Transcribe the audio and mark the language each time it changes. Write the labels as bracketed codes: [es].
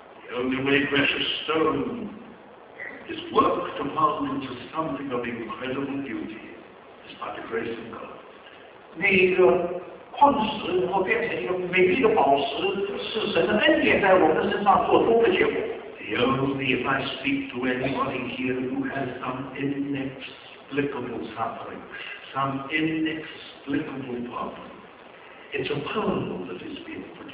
[en] The only way precious stone is worked upon into something of incredible beauty is by the grace of God. [zh] 那个矿石然后变成一个美丽的宝石，是神的恩典在我们身上做工的结果。 [en] Only if I speak to anybody here who has some inexplicable suffering, some inexplicable problem, it's a pearl that is being